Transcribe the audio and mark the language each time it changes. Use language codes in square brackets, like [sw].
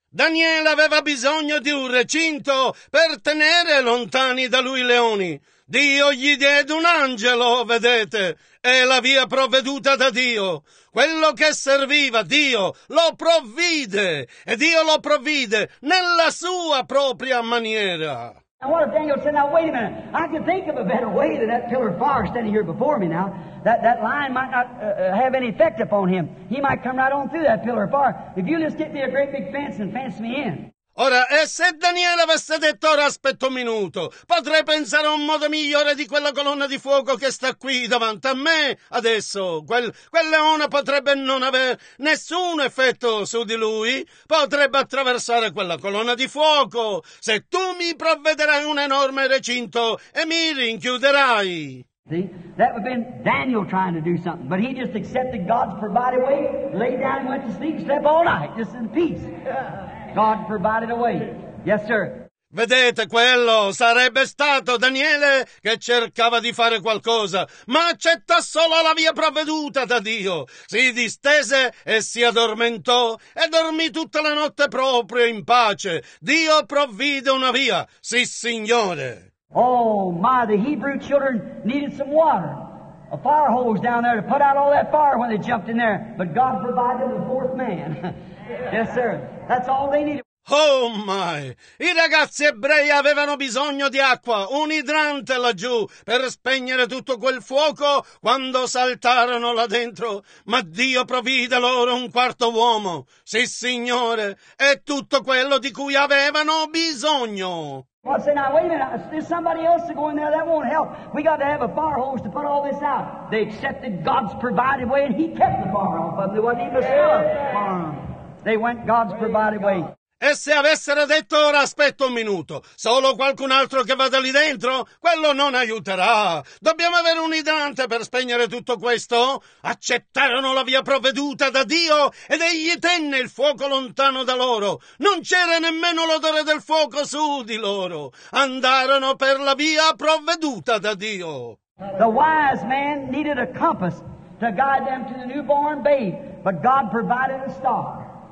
[it] Daniele aveva bisogno di un recinto per tenere lontani da lui i leoni. Dio gli diede un angelo, vedete, è la via provveduta da Dio. Quello che serviva, Dio lo provvide. E Dio lo provvide nella sua propria maniera. [en] And what if Daniel said, now wait a minute, I can think of a better way than that pillar of fire standing here before me now. That lion might not have any effect upon him. He might come right on through that pillar of fire. If you just get me a great big fence and fence me in. [it] Ora, e se Daniele avesse detto, ora aspetta un minuto, potrei pensare a un modo migliore di quella colonna di fuoco che sta qui davanti a me adesso. Quel leone potrebbe non avere nessun effetto su di lui, potrebbe attraversare quella colonna di fuoco, se tu mi provvederai un enorme recinto e mi rinchiuderai. [en] See, that would have been Daniel trying to do something, but he just accepted God's provided way, lay down and went to sleep, slept all night, just in peace. God provided a way. Yes, sir. [it] Vedete, quello sarebbe stato Daniele che cercava di fare qualcosa, ma accetta solo la via provveduta da Dio. Si distese e si addormentò e dormì tutta la notte proprio in pace. Dio provvide una via. Sì, signore. [en] Oh, my, the Hebrew children needed some water. A fire hose down there to put out all that fire when they jumped in there. But God provided the fourth man. Yes, sir. That's all they needed. Oh my! [it] I ragazzi ebrei avevano bisogno di acqua, un idrante laggiù, per spegnere tutto quel fuoco quando saltarono là dentro. Ma Dio provvide loro un quarto uomo. Sì, signore, è tutto quello di cui avevano bisogno. [en] Well, I say, now, wait a minute, there's somebody else to go in there, that won't help. We got to have a fire hose to put all this out. They accepted God's provided way, and he kept the fire off of them. They wasn't even a smell of fire. They went God's provided way. [it] E se avessero detto, ora aspetta un minuto, solo qualcun altro che vada lì dentro, quello non aiuterà. Dobbiamo avere un idrante per spegnere tutto questo. Accettarono la via provveduta da Dio ed egli tenne il fuoco lontano da loro. Non c'era nemmeno l'odore del fuoco su di loro. Andarono per la via provveduta da Dio. [en] The wise man needed a compass to guide them to the newborn babe, but God provided a star.